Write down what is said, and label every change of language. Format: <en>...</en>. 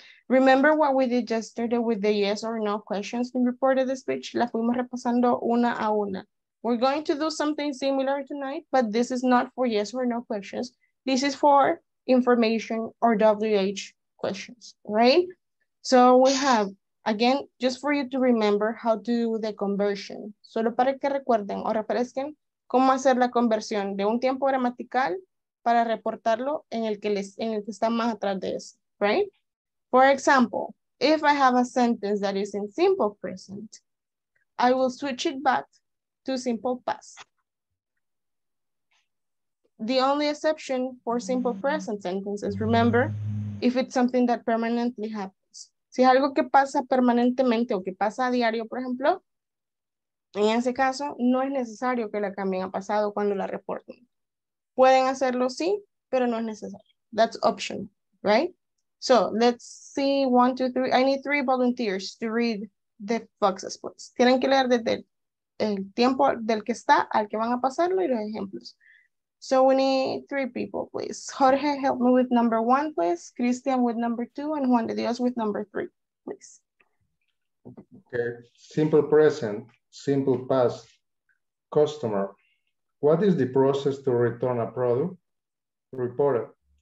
<en>Remember what we did yesterday with the yes or no questions in reported the speech?</en> <es>La fuimos repasando una a una.</es> <en>We're going to do something similar tonight, but this is not for yes or no questions. This is for information or WH questions, right? So we have, again, just for you to remember how to do the conversion.</en> <es>Solo para que recuerden o refresquen cómo hacer la conversión de un tiempo gramatical para reportarlo en el que está más atrás de eso, right?</es> <en>For example, if I have a sentence that is in simple present, I will switch it back to simple past. The only exception for simple present sentences, remember, if it's something that permanently happens.</en> <es>Si es algo que pasa permanentemente o que pasa a diario, por ejemplo, en ese caso, no es necesario que la cambien a pasado cuando la reporten. Pueden hacerlo, sí, pero no es necesario.</es> <en>That's optional, right? So let's see, 1, 2, 3. I need 3 volunteers to read the boxes, please.</en> <es>Tienen que leer desde el tiempo del que está al que van a pasarlo y los ejemplos.</es> <en>So we need 3 people, please. Jorge, help me with number 1, please. Christian with number 2, and Juan de Dios with number 3, please. Okay, simple present, simple past, customer. What is the process to return a product? Reporter.</en>